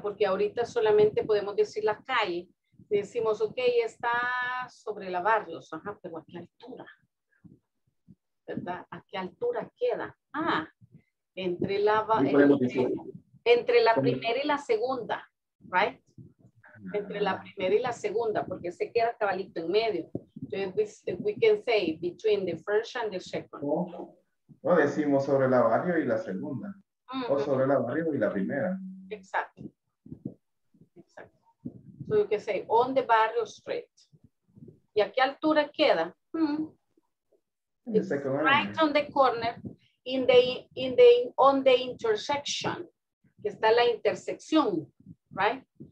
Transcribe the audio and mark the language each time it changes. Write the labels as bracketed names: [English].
[Spanish] Porque ahorita solamente podemos decir la calle. Decimos, ok, está sobre la barrios, ajá, pero ¿a qué altura? ¿Verdad? ¿A qué altura queda? Ah, entre la, entre la primera y la segunda, [English] right? [Spanish] Entre la primera y la segunda, porque se queda cabalito en medio. Entonces, [English] we can say between the first and the second. [Spanish] O decimos sobre la barrio y la segunda. Mm-hmm. O sobre la barrio y la primera. Exacto. [English] So you can say, on the barrio street. [Spanish] ¿Y a qué altura queda? [English] Right on the corner, on the intersection. [Spanish] Que está la intersección, [English] right?